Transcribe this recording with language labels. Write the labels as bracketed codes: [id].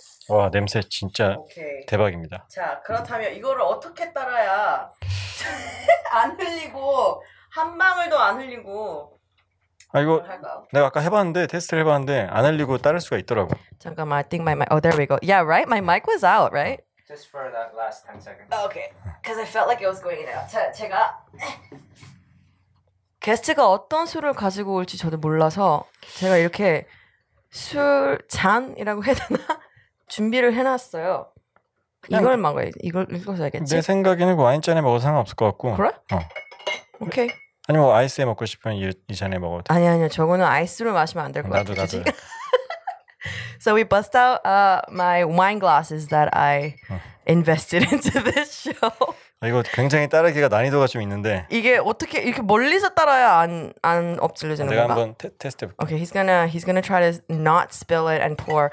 [ko] 와 냄새 진짜 대박입니다. 자 그렇다면 이거를 어떻게 따라야 안 흘리고 한 방울도 안 흘리고. 아 이거 할까요? 내가 아까 해봤는데 테스트를 해봤는데 안 흘리고 따를 수가 있더라고. 잠깐만, [en] I think my mic. Oh, there we go. Yeah, right. My mic was out, right? Just for that last 10 seconds. Okay, because I felt like it was going in out. [ko] 제가 게스트가 어떤 술을 가지고 올지 저도 몰라서 제가 이렇게 술 잔이라고 해야 되나 준비를 해놨어요. 이걸 막아야 이걸 읽어줘야겠지. 내 생각에는 와인 잔에 먹어도 상관없을 것 같고. 그래? 어. 오케이. 아니 뭐 아이스에 먹고 싶으면 이 잔에 먹어도 돼. 아니 저거는 아이스로 마시면 안 될 것 같아. 나도. [en] So we bust out my wine glasses that I invested into this show. [ko] 이거 굉장히 따르기가 난이도가 좀 있는데. 이게 어떻게 이렇게 멀리서 따라야 안 엎질러지는 건가? 내가 한번 테스트 해볼게. [en] Okay, he's gonna try to not spill it and pour.